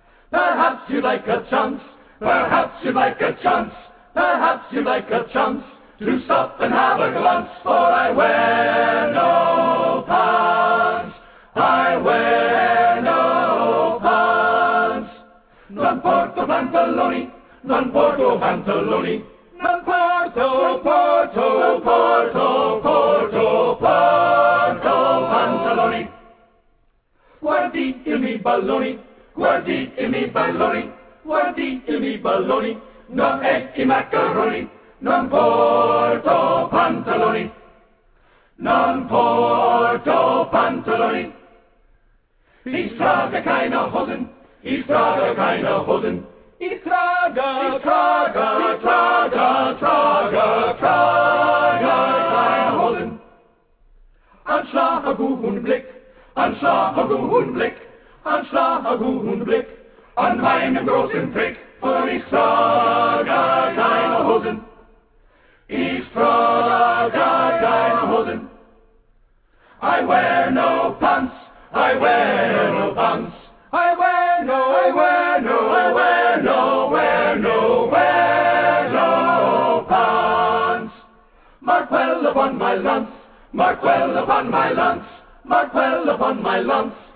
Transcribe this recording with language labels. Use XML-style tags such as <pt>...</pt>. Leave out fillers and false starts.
<en>Perhaps you like a chance. Perhaps you'd like a chance, perhaps you'd like a chance to stop and have a glance, for I wear no pants, I wear no pants.</en> <it>Non porto pantaloni, non porto pantaloni, non porto, porto, porto, porto, porto pantaloni. Guardi il mi balloni, guardi il mi balloni. Guardi il mi balloni, non è i macaroni, non porto pantaloni, non porto pantaloni.</it> <de>Ich trage keine Hosen, ich trage keine Hosen, ich trage, ich trage, ich trage, trage, trage, trage keine Hosen. Anschlage guten Blick, anschlage guten Blick, anschlage guten Blick. An meinem großen Trick, for ich trage keine Hosen. Ich trage keine Hosen.</de> <en>I wear no pants, I wear no pants. I wear no, I wear no, I wear no, wear no, wear no pants. Mark well upon my lance, mark well upon my lance, mark well upon my lance.</en>